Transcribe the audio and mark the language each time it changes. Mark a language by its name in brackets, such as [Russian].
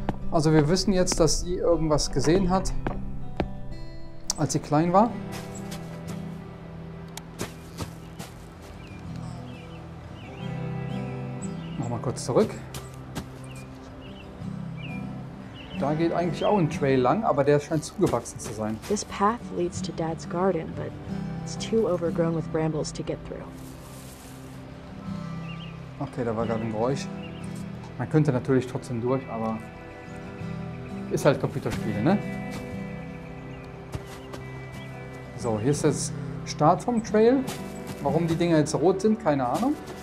[German] Also wir wissen jetzt, dass sie irgendwas gesehen hat, als sie klein war. Kurz zurück. Da geht eigentlich auch ein Trail lang, aber der scheint zugewachsen zu sein. [English] This path leads to Dad's garden, but it's too overgrown with brambles to get through. [German] Okay, da war gerade ein Geräusch. Man könnte natürlich trotzdem durch, aber ist halt Computerspiele, ne? So, hier ist jetzt Start vom Trail. Warum die Dinger jetzt rot sind, keine Ahnung.